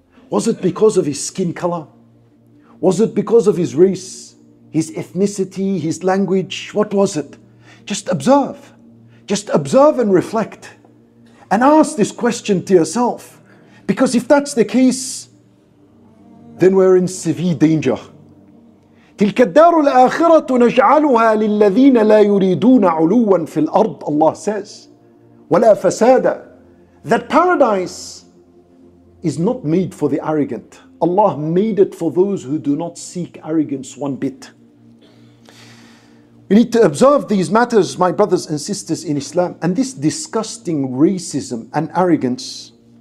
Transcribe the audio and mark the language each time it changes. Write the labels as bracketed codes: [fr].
[en] Was it because of his skin color? Was it because of his race, his ethnicity, his language? What was it? Just observe and reflect. And ask this question to yourself. Because if that's the case, then we're in severe danger. [ar] تلك الدار الآخرة نجعلها للذين لا يريدون علوا في الأرض, [en] Allah says, [ar] ولا فسادا. [en] That paradise is not made for the arrogant. Allah made it for those who do not seek arrogance one bit. We need to observe these matters, my brothers and sisters in Islam, and this disgusting racism and arrogance.